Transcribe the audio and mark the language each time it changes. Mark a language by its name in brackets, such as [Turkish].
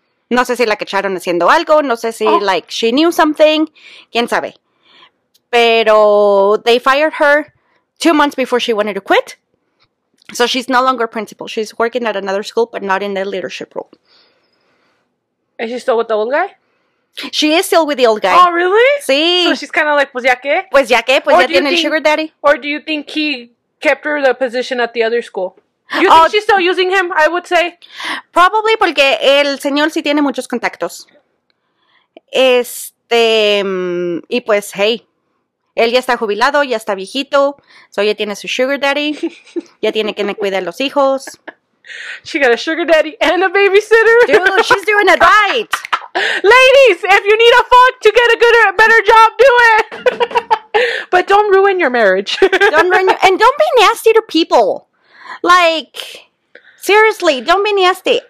[Spanish] No sé si la cacharon haciendo algo, no sé si, [English] she knew something, [Spanish] quién sabe. Pero [English] they fired her 2 months before she wanted to quit. So she's no longer principal. She's working at another school, but not in the leadership role. Is she still with the old guy? She is still with the old guy. Oh, really? [Spanish] Sí. [English] So she's kind of like, [Spanish] pues ya qué? Pues ya qué, pues ya tiene el sugar daddy. [English] Or do you think he... kept her the position at the other school. You think she's still using him, I would say? [Spanish] Probably, porque el señor sí tiene muchos contactos. Y pues, hey, él ya está jubilado, ya está viejito, so ya tiene su sugar daddy, ya tiene que cuidar los hijos. [English] She got a sugar daddy and a babysitter. Dude, she's doing a diet. Ladies, if you need a fuck to get a better job, do it. But don't ruin your marriage. And don't be nasty to people. Like, seriously, don't be nasty.